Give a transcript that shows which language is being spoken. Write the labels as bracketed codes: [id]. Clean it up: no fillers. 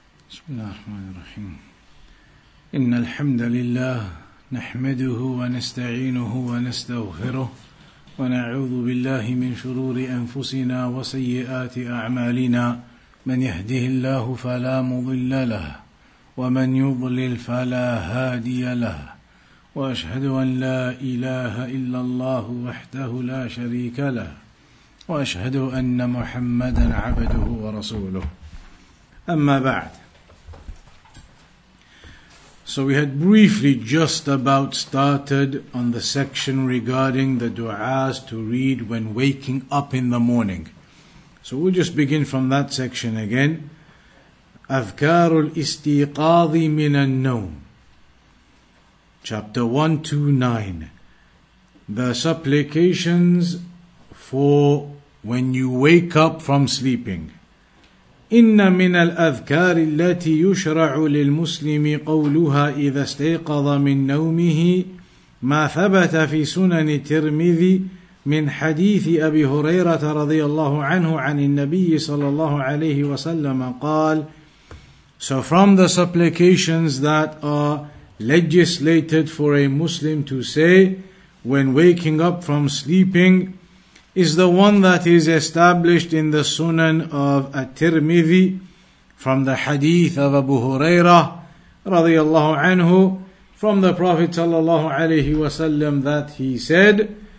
[ar] بسم الله الرحمن الرحيم إن الحمد لله نحمده ونستعينه ونستغفره ونعوذ بالله من شرور أنفسنا وسيئات أعمالنا من يهده الله فلا مضل له ومن يضلل فلا هادي له وأشهد أن لا إله إلا الله وحده لا شريك له وأشهد أن محمدا عبده ورسوله أما بعد. [en] So we had briefly just about started on the section regarding the du'as to read when waking up in the morning. So we'll just begin from that section again. [ar] أذكار الاستيقاظ من النوم. [en] Chapter 129. The supplications for when you wake up from sleeping. [ar] إن من الأذكار التي يشرع للمسلم قولها إذا استيقظ من نومه ما ثبت في سنن الترمذي من حديث أبي هريرة رضي الله عنه عن النبي صلى الله عليه وسلم قال. [en] So from the supplications that are legislated for a Muslim to say when waking up from sleeping is the one that is established in the Sunan of At-Tirmidhi from the hadith of Abu Hurairah radiyallahu anhu from the Prophet sallallahu alayhi wa sallam that he said,